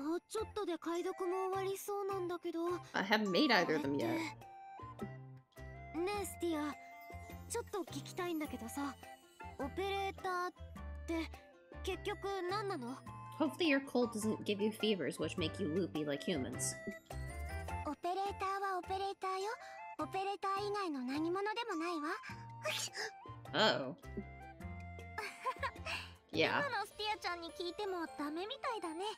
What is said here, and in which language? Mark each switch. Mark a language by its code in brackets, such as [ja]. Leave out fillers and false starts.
[ja] ちょっとで解読も終わりそうなんだけど。 [en] I haven't made either of them yet. [ja] ねえ、スティア、ちょっと聞きたいんだけどさ、オペレーターって結局何なの？ [en] Hopefully your cold doesn't give you fevers which make you loopy like humans. [ja] オペレーターはオペレーターよ。オペレーター以外の何者でもないわ。 Yeah. 今のスティアちゃんに聞いてもダメみたいだね。